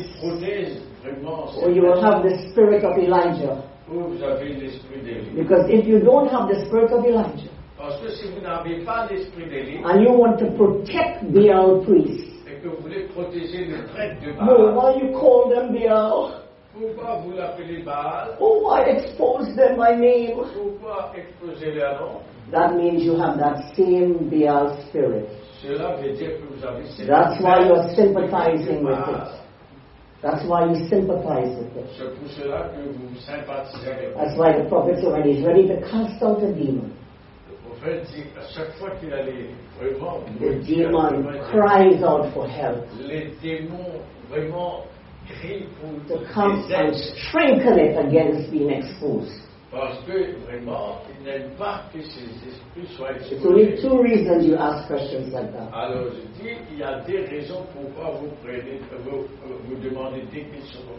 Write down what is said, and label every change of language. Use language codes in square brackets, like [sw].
[en] Or you will have the spirit of Elijah? [fr] Ou vous avez l'esprit d'Élie? [en] Because if you don't have the spirit of Elijah, [fr] parce que si vous n'avez pas l'esprit d'Élie, [en] and you want to protect Baal priests, [fr] et que vous voulez protéger les prêtres de [en] Baal, why you call them Baal? [fr] Pourquoi vous l'appelez Baal? [en] Oh, I expose them by name. [fr] Pourquoi exposer leur nom? [en] That means you have that same Baal spirit. [fr] Cela veut dire que vous avez cette, [en] that's why you're sympathizing with it. That's why you sympathize with it. [fr] C'est pour cela que vous sympathisez avec [en] it. That's why the prophet said when he's ready to cast out a demon, [fr] le prophète dit à chaque fois qu'il allait vraiment, [en] the demon cries out for help. [fr] Les démons vraiment [en] to come and strengthen it against being exposed. [fr] Parce que vraiment, il n'aime pas que ces esprits soient exposés. [en] It's only two reasons you ask questions like that. [fr] Alors je dis, il y a des raisons pourquoi vous prenez, vous demandez des questions.